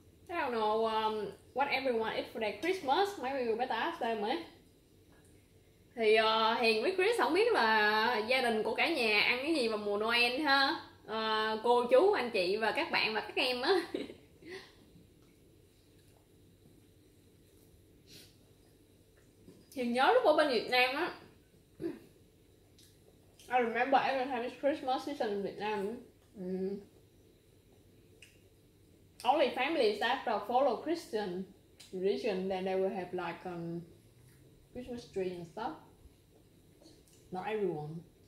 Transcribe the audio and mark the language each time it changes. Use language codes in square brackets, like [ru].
[en] I don't know what everyone eat for their Christmas. Maybe we better ask them, eh? [vi] Thì Hiền với Chris không biết là gia đình của cả nhà ăn cái gì vào mùa Noel ha. Cô chú, anh chị và các bạn và các em á. Hiền nhớ lúc ở bên Việt Nam á. [en] I remember every time it's Christmas season in Vietnam. Only families that follow Christian religion, then they will have like Christmas tree and stuff. Not everyone.